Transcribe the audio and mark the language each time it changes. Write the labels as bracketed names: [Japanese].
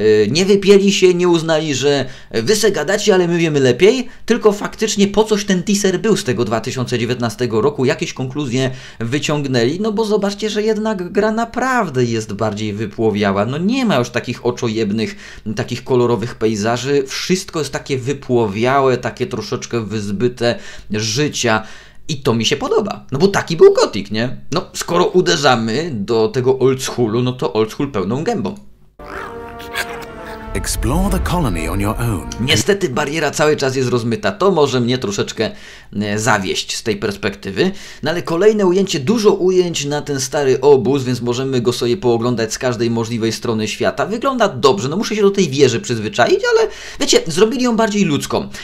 [Polish] nie wypieli się, nie uznali, że wy se gadacie, ale my wiemy lepiej, tylko faktycznie po coś ten teaser był z tego 2019 roku, jakieś konkluzje wyciągnęli, no bo zobaczcie, że jednak gra naprawdę jest bardziej wypłowiała, no nie ma już takich oczojebnych, takich kolorowych pejzaży, wszystko jest takie wypłowiałe, takie troszeczkę wyzbyte życia. I to mi się podoba, no bo taki był Gothic, nie? No, skoro uderzamy do tego oldschoolu, no to oldschool pełną gębą. [English] Explore the colony on your own. [Polish] Niestety bariera cały czas jest rozmyta, to może mnie troszeczkę zawieść z tej perspektywy. No ale kolejne ujęcie, dużo ujęć na ten stary obóz, więc możemy go sobie pooglądać z każdej możliwej strony świata. Wygląda dobrze, no muszę się do tej wieży przyzwyczaić, ale wiecie, zrobili ją bardziej ludzką.